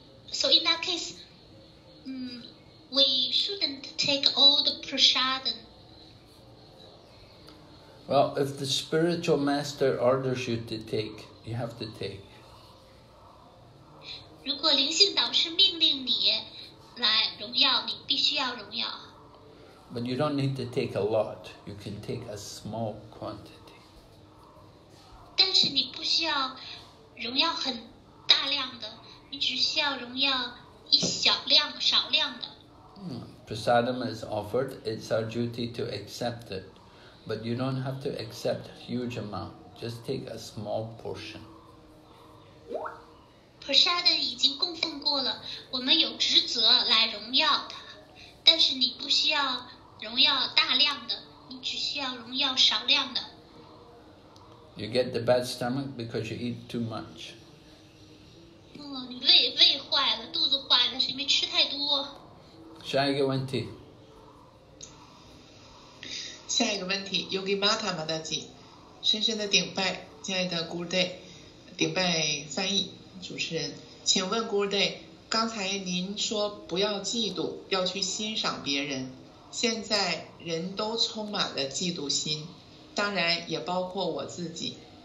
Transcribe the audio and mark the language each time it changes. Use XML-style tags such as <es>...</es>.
<en>So in that case, we shouldn't take all the prasadam. Well, if the spiritual master orders you to take, you have to take.</en> <zh>如果灵性导师命令你来荣耀，你必须要荣耀。</zh> <en>But you don't need to take a lot, you can take a small quantity.</en> <zh>但是你不需要荣耀很大量的，你只需要荣耀一小量、少量的。</zh> <en>Prasadam is offered, it's our duty to accept it. But you don't have to accept a huge amount, just take a small portion.</en> <zh>菩萨的已经供奉过了，我们有职责来荣耀他，但是你不需要荣耀大量的，你只需要荣耀少量的。</zh> <en>You get the bad stomach because you eat too much.</en> <zh>你胃坏了，肚子坏了，是因为吃太多。下一个问题。下一个问题，Yogi Mata Mataji，深深的顶拜，亲爱的 Guru Dev，顶拜翻译主持人，请问 Guru Dev，刚才您说不要嫉妒，要去欣赏别人，现在人都充满了嫉妒心，当然也包括我自己。</zh>